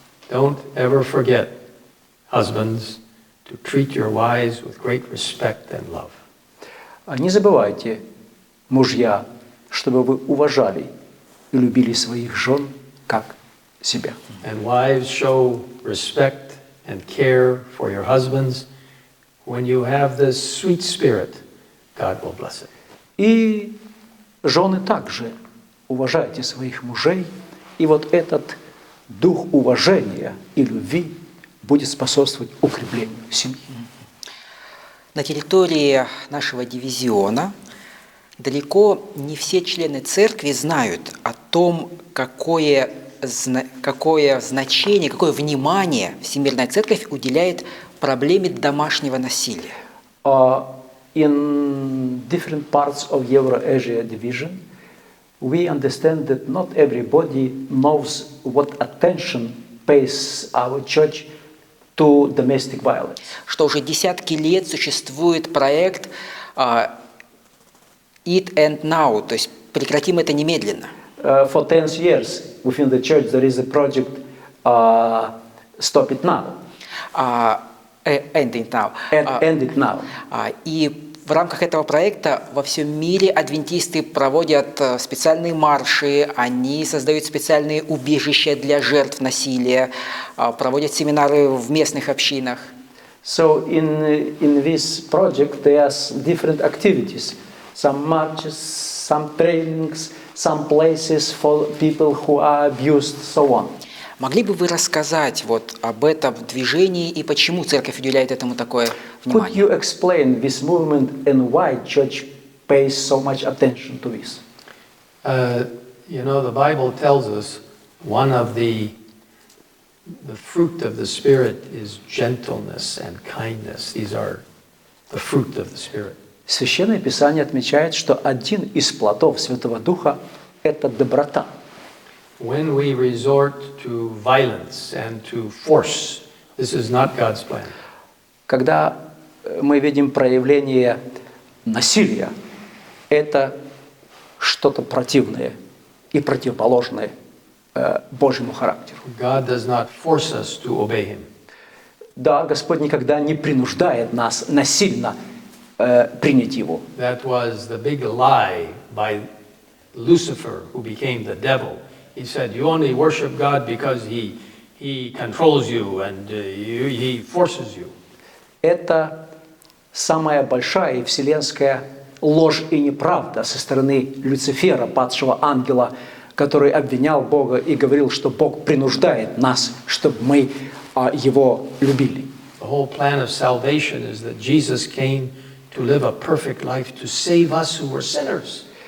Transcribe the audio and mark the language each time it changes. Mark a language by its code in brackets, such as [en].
[en] Don't ever forget, husbands, to treat your wives with great respect and love. [ru] Не забывайте, мужья, чтобы вы уважали и любили своих жен как себя. [en] And wives, show respect and care for your husbands. When you have this sweet spirit, God will bless it. [ru] И жены также Уважайте своих мужей, и вот этот дух уважения и любви будет способствовать укреплению семьи. На территории нашего дивизиона далеко не все члены церкви знают о том, какое значение, какое внимание Всемирная Церковь уделяет проблеме домашнего насилия. [en] In different parts of Euro-Asia division, we understand that not everybody knows what attention pays our church to domestic violence. [ru] Что уже десятки лет существует проект Eat and Now, то есть прекратим это немедленно. [en] For 10 years within the church there is a project Stop It Now. End It Now. [ru] И в рамках этого проекта во всем мире адвентисты проводят специальные марши, они создают специальные убежища для жертв насилия, проводят семинары в местных общинах. [en] So in this project there are different activities. Some marches, some trainings, some places for people who are abused, so on. [ru] Могли бы вы рассказать вот об этом движении и почему церковь уделяет этому такое внимание? [en] Could you explain this movement and why church pays so much attention to this? You know, the Bible tells us one of the fruit of the Spirit is gentleness and kindness. These are the fruit of the Spirit. [ru] Священное Писание отмечает, что один из плодов Святого Духа – это доброта. [en] When we resort to violence and to force, this is not God's plan. [ru] Когда мы видим проявление насилия, это что-то противное и противоположное Божьему характеру. [en] God does not force us to obey Him. [ru] Да, Господь никогда не принуждает нас насильно принять Его. [en] That was the big lie by Lucifer, who became the devil. He said, "You only worship God because He controls you and He forces you." [ru] Это самая большая вселенская ложь и неправда со стороны Люцифера, падшего ангела, который обвинял Бога и говорил, что Бог принуждает нас, чтобы мы Его любили. [en] The whole plan of salvation is that Jesus came to live a perfect life to save us who were sinners.